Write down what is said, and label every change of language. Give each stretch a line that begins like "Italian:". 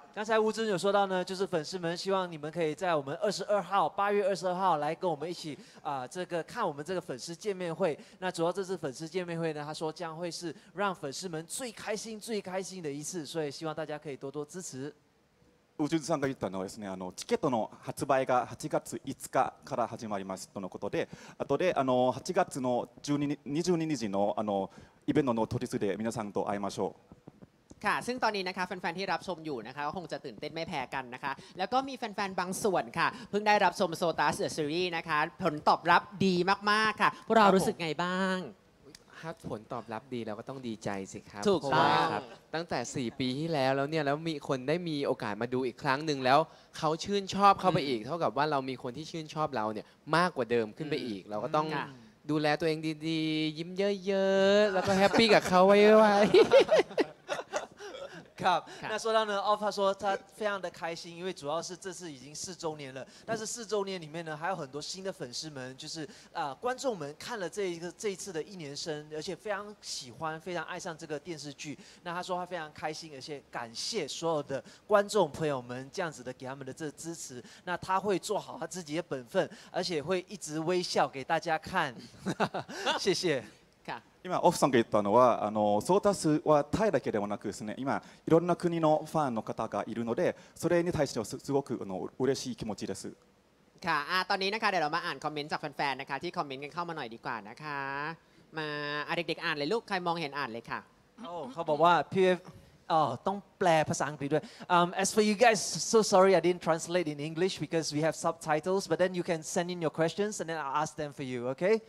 Chinese: 刚才吴尊有说到呢，就是粉丝们希望你们可以在我们8月22号来跟我们一起这个看我们这个粉丝见面会。那主要这次粉丝见面会呢，他说将会是让粉丝们最开心、最开心的一次，所以希望大家可以多多支持。
Japanese: 吴尊さんが言ったのはですね、あのチケットの発売が8月5日から始まりますとのことで、あとであの8月の22日のあのイベントの当日で皆さんと会いましょう。
Thai: ค่ะซึ่งตอนนี้นะคะแฟนๆที่รับชมอยู่นะคะก็คงจะตื่นเต้นไม่แพ้กันนะคะแล้วก็มีแฟนๆบางส่วนค่ะเพิ่งได้รับชมโซตัสเดอะซีรีส์นะคะผลตอบรับดีมากๆค่ะพวกเรารู้สึกไงบ้าง ถ้าผลตอบรับดีเราก็ต้องดีใจสิครับ ถูกต้อง ตั้งแต่4ปีที่แล้วแล้วเนี่ยแล้วมีคนได้มีโอกาสมาดูอีกครั้งนึงแล้วเขาชื่นชอบเข้าไปอีกเท่ากับว่าเรามีคนที่ชื่นชอบเราเนี่ยมากกว่าเดิมขึ้นไปอีกเราก็ต้องดูแลตัวเองดีๆยิ้มเยอะๆแล้วก็แฮปปี้กับเขาไว้
Chinese: ครับ那说到呢 ，Alpha 说他非常的开心，因为主要是这次已经四周年了。但是四周年里面呢，还有很多新的粉丝们，就是观众们看了这一次的一年生，而且非常喜欢，非常爱上这个电视剧。那他说他非常开心，而且感谢所有的观众朋友们这样子的给他们的这支持。那他会做好他自己的本分，而且会一直微笑给大家看。谢谢。
Japanese: 今オフさんが言ったのはあのソータスはタイだけではなくですね今いろんな国のファンの方がいるのでそれに対してはすごくあの嬉しい気持ちです
Thai: ค่ะตอนนี้นะคะเดี๋ยวเรามาอ่านคอมเมนต์จากแฟนๆนะคะที่คอมเมนต์กันเข้ามาหน่อยดีกว่านะคะมาเด็กๆอ่านเลยลูกใครมองเห็นอ่านเลยค่ะ โอ้เขาบอกว่าพี่เอฟต้องแปลภาษาอังกฤษด้วย
English: as for you guys so sorry I didn't translate in English because we have subtitles but then you can send in your questions and then I'll ask them for you okay